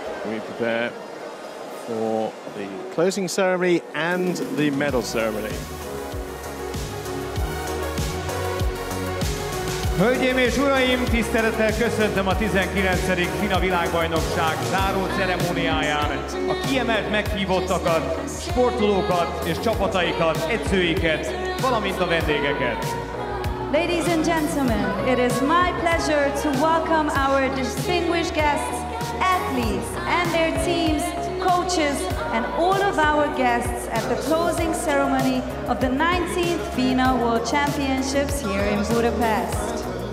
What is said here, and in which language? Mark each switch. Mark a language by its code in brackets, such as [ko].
[en] we prepare for the closing ceremony and the medal ceremony. [hu] Hölgyeim és uraim, tisztelettel köszöntöm a 19. FINA világbajnokság záró ceremóniáján a kiemelt meghívottakat, sportolókat és csapataikat, edzőiket, valamint a vendégeket. [en] Ladies and gentlemen, it is my pleasure to welcome our distinguished guests, athletes and their teams, coaches and all of our guests at the closing ceremony of the 19th FINA World Championships here in Budapest.